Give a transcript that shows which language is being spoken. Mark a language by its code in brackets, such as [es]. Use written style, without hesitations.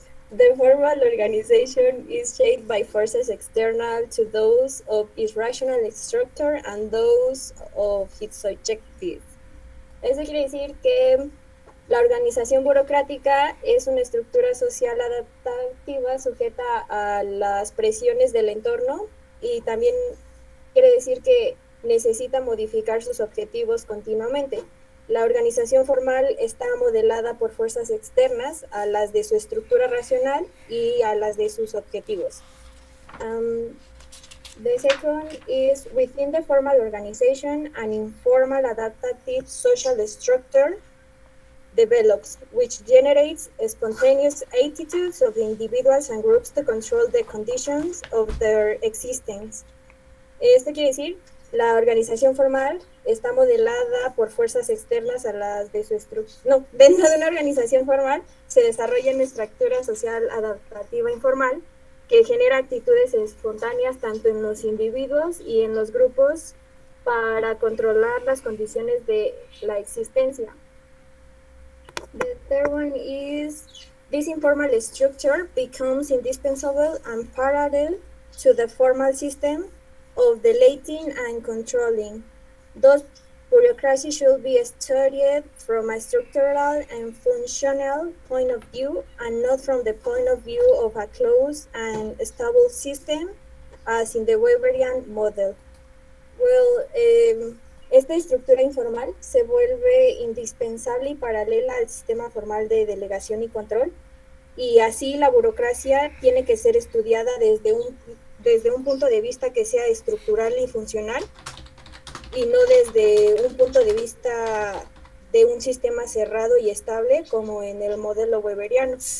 [en] The formal organization is shaped by forces external to those of its rational structure and those of its objective. [es] Eso quiere decir que la organización burocrática es una estructura social adaptativa sujeta a las presiones del entorno, y también quiere decir que necesita modificar sus objetivos continuamente. La organización formal está modelada por fuerzas externas a las de su estructura racional y a las de sus objetivos. [en] The second is, within the formal organization, an informal adaptive social structure develops, which generates spontaneous attitudes of individuals and groups to control the conditions of their existence. [es] Esto quiere decir, la organización formal está modelada por fuerzas externas a las de su estructura. No, dentro de una organización formal se desarrolla una estructura social adaptativa informal que genera actitudes espontáneas tanto en los individuos y en los grupos para controlar las condiciones de la existencia. [en] The third one is, this informal structure becomes indispensable and parallel to the formal system of delegating and controlling. Thus, Bureaucracy should be studied from a structural and functional point of view and not from the point of view of a closed and stable system as in the Weberian model. [es] Well, esta estructura informal se vuelve indispensable y paralela al sistema formal de delegación y control, y así la burocracia tiene que ser estudiada desde un punto de vista que sea estructural y funcional, y no desde un punto de vista de un sistema cerrado y estable como en el modelo weberiano.